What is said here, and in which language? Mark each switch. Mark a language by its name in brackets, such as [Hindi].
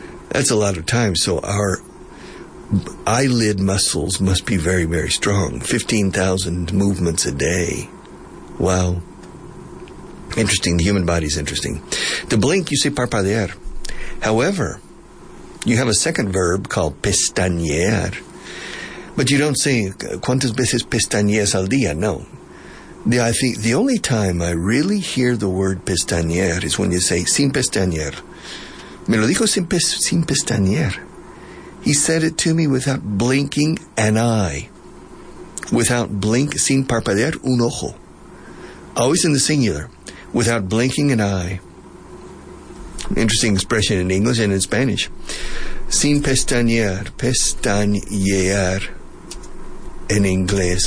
[English] That's a lot of time, so our eyelid muscles must be very, very strong. 15,000 movements a day. Wow. Interesting. The human body is interesting. To blink, you say parpadear. However, you have a second verb called pestañear. But you don't say, [Spanish] ¿cuántas veces pestañeas al día? [English] No. I think the only time I really hear the word pestañear is when you say, [Spanish] sin pestañear. Me lo dijo sin pestañear. [English] He said it to me without blinking an eye. [Spanish] Sin parpadear un ojo. [English] Always in the singular. Without blinking an eye. Interesting expression in English and in Spanish. [Spanish] Sin pestañear. Pestañear. [English] In English.